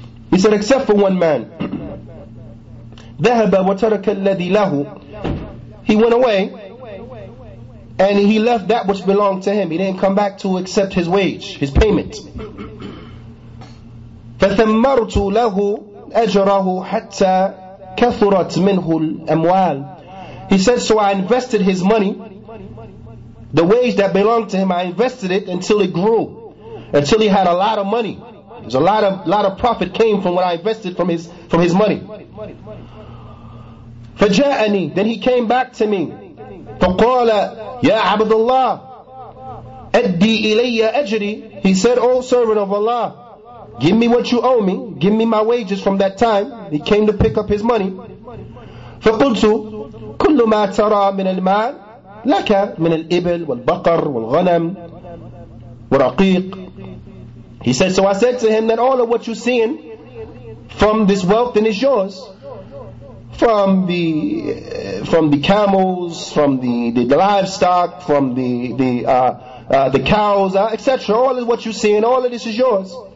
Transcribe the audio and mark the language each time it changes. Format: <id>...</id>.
<en>He said, except for one man.</en> <ar>ذهب وترك الذي له.</ar> <en>He went away and he left that which belonged to him. He didn't come back to accept his wage, his payment.</en> <ar>فثمرت له أجره حتى كثرت منه الأموال.</ar> <en>He said, so I invested his money, the wage that belonged to him, I invested it until it grew, until he had a lot of money. There's a lot of profit came from what I invested from his money.</en> <ar>فجاءني,</ar> <en>then he came back to me.</en> <ar>فقال يا عبد الله أدي إلي أجري.</ar> <en>He said, oh servant of Allah, give me what you owe me, give me my wages from that time. He came to pick up his money.</en> <ar>فقلت كل ما ترى من المال لك من الإبل والبقر والغنم والرقيق.</ar> <en>He said, so I said to him that all of what you're seeing from this wealth then is yours. From the camels, from the livestock, from the cows, etc. All of what you're seeing, all of this is yours.</en>